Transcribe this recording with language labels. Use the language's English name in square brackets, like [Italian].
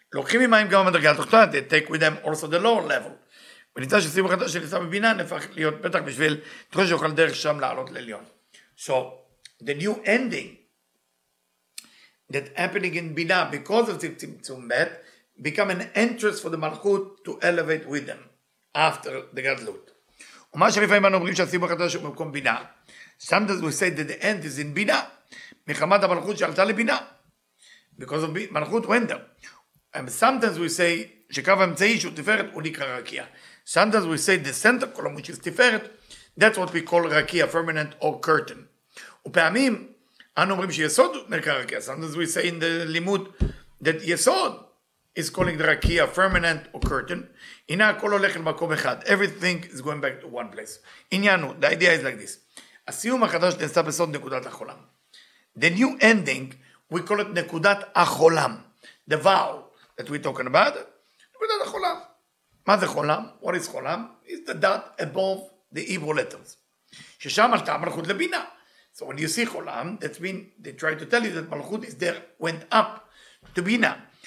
[English] They take with them also the lower level. So the new ending that happening in Bina because of Tzimtzum Bet become an entrance for the Malchut to elevate with them after the Gadlut. Sometimes we say that the end is in Bina. [Hebrew] מחמת המלכות שעלתה לבינה. [English] Because of [Hebrew] מלכות ונדר. [English] And sometimes we say [Hebrew] שקו האמצעי שהוא תפארת הוא נקרא רקיה. [English] Sometimes we say the center column which is תפארת, that's what we call רקיה, firmament or curtain. [Hebrew] ופעמים אנו אומרים שיסוד נקרא רקיה. [English] Sometimes we say in the limud that יסוד is calling the רקיה, firmament or curtain. [Hebrew] הנה הכל הולך למקום אחד. [English] Everything is going back to one place. [Hebrew] עניינו, [English] the idea is like this. [Hebrew] הסיום החדש נעשה בסוד נקודת החולם. [English] The new ending, we call it Nekudat Acholam, the vow that we're talking about. Nekudat Acholam. What is Cholam? What is Cholam? It's the dot above the Hebrew letters. [Hebrew] Shesham al Tam Malchut Lebina. [English] So when you see Cholam, that means they try to tell you that Malchut is there, went up to Bina.